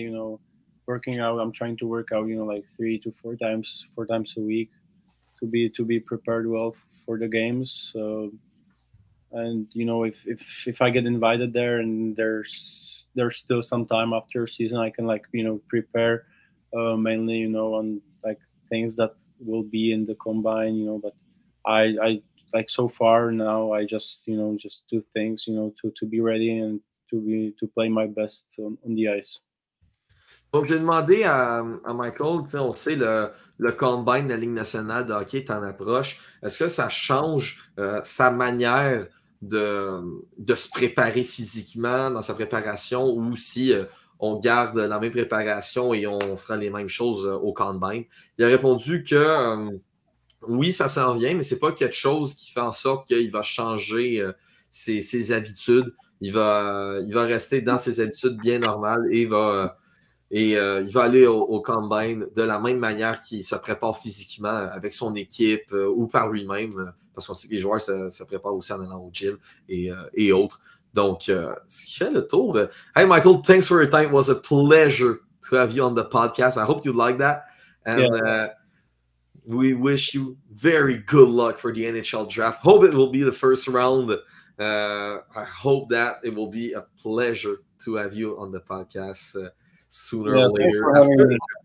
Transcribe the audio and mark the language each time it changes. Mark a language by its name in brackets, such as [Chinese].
[English] You know, working out. I'm trying to work out. You know, like 3 to 4 times a week to be prepared well for the games, and you know if I get invited there and there's still some time after season, I can like you know prepare mainly you know on like things that will be in the combine, you know. But I like so far now I just you know just do things you know to be ready and to play my best on the ice. [French] Donc, j'ai demandé à Michael, tu sais, on sait, le combine de la Ligue nationale de hockey t'en approche. Est-ce que ça change sa manière de se préparer physiquement dans sa préparation ou si on garde la même préparation et on fera les mêmes choses au combine? Il a répondu que oui, ça s'en vient, mais c'est pas quelque chose qui fait en sorte qu'il va changer ses habitudes. Il va rester dans ses habitudes bien normales et va... Et il va aller au combine de la même manière qu'il se prépare physiquement avec son équipe ou par lui-même, parce qu'on sait que les joueurs se préparent aussi en allant au gym et autres. Donc, ce qui fait le tour. [English] Hey, Michael, thanks for your time. It was a pleasure to have you on the podcast. I hope you like that. And we wish you very good luck for the NHL draft. Hope it will be the first round. I hope that it will be a pleasure to have you on the podcast sooner or later.